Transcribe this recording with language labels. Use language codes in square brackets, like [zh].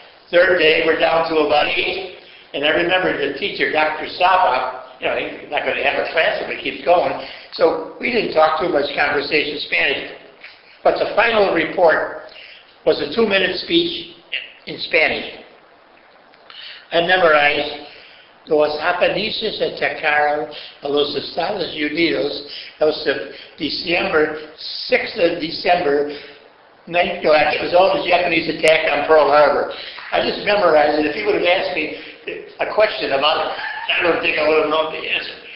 [en] Third day, we're down to about 8. And I remember the teacher, Dr. Saba, you know, he's not going to have a class if he keeps going. So we didn't talk too much conversation Spanish. But the final report was a 2-minute speech in Spanish. I memorized [es] Los Japoneses atacaron a los Estados Unidos el 6 de diciembre. [en] It was all the Japanese attack on Pearl Harbor. I just memorized it. If you would have asked me a question about it, I don't think I would have known the answer.